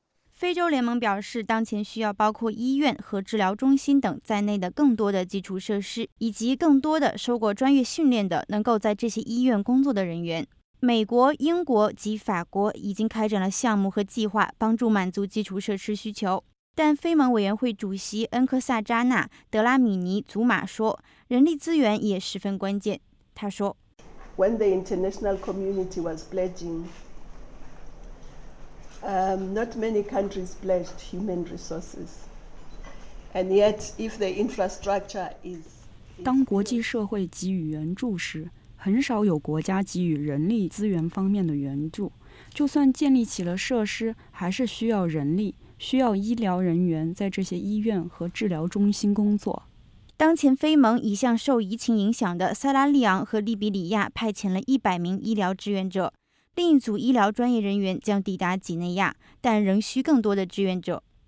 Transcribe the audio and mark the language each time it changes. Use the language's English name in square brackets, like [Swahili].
[Chinese] 非洲联盟表示，当前需要包括医院和治疗中心等在内的更多的基础设施，以及更多的受过专业训练的能够在这些医院工作的人员。美国、英国及法国已经开展了项目和计划，帮助满足基础设施需求。但非盟委员会主席恩克萨扎纳·德拉米尼·祖马说，人力资源也十分关键。他说 [English] ：“When the international community was pledging, not many countries pledged human resources, and yet if the infrastructure is……” [Chinese] 当国际社会给予援助时，很少有国家给予人力资源方面的援助，就算建立起了设施，还是需要人力，需要医疗人员在这些医院和治疗中心工作。当前非盟已向受疫情影响的塞拉利昂和利比里亚派遣了100名医疗志愿者，另一组医疗专业人员将抵达几内亚，但仍需更多的志愿者。